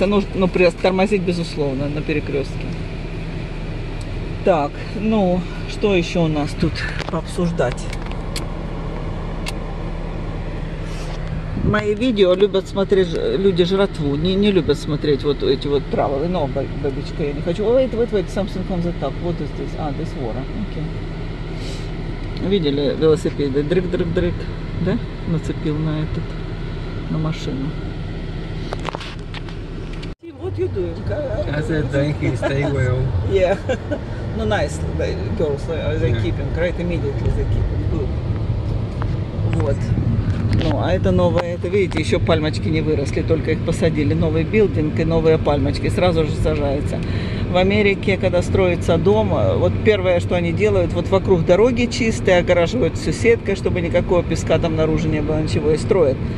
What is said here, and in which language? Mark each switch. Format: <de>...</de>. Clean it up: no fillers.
<ru>Ну, тормозить, безусловно, на перекрестке. Так, ну, что еще у нас тут пообсуждать? Мои видео любят смотреть люди жратву, не любят смотреть вот эти вот травы, но бабочка я не хочу.</ru> <en>Wait, something comes up,</en> <ru>вот здесь,</ru> <en>this water, окей.</en> <ru>Видели велосипеды, дрык-дрык-дрык, да, нацепил на этот, на машину.</ru> <en>Hey, what you doing? I said, thank you, stay well. Yeah, no, nice, the girls, they keeping, right, immediately they keeping, good.</en> <ru>Вот. Ну, а это новое, это видите, еще пальмочки не выросли, только их посадили. Новый билдинг и новые пальмочки сразу же сажаются. в Америке, когда строится дом, вот первое, что они делают, вот вокруг дороги чистые, огораживают всю сеткой, чтобы никакого песка там наружу не было, ничего, и строят.</ru>